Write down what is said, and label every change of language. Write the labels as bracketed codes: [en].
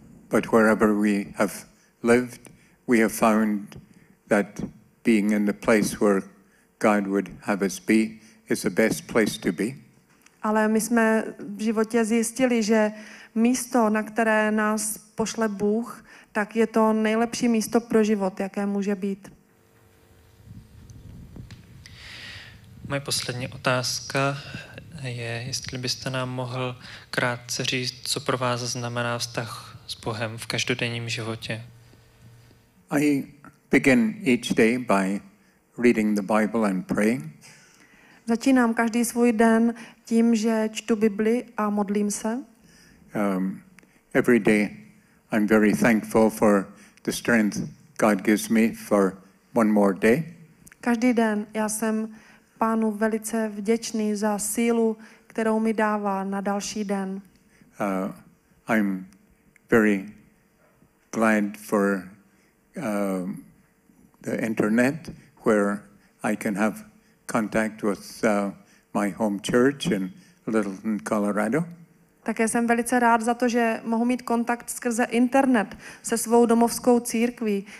[en] But wherever we have lived, we have found that being in the place where God would have us be is the best place to be. [cs] Ale my jsme v životě zjistili, že místo, na které nás pošle Bůh, tak je to nejlepší místo pro život, jaké může být. Moje poslední otázka je, jestli byste nám mohl krátce říct, co pro vás znamená vztah s Bohem v každodenním životě. [en] Begin each day by reading the Bible and praying. [cs] Začínám každý svůj den tím, že čtu Bibli a modlím se. [en] Every day I'm very thankful for the strength God gives me for one more day. [cs] Každý den já jsem Pánu velice vděčný za sílu, kterou mi dává na další den. [en] I'm very glad for the internet where I can have contact with my home church in Littleton, Colorado. [cs] Také jsem velice rád za to, že mohu mít kontakt skrze internet se svou domovskou církví.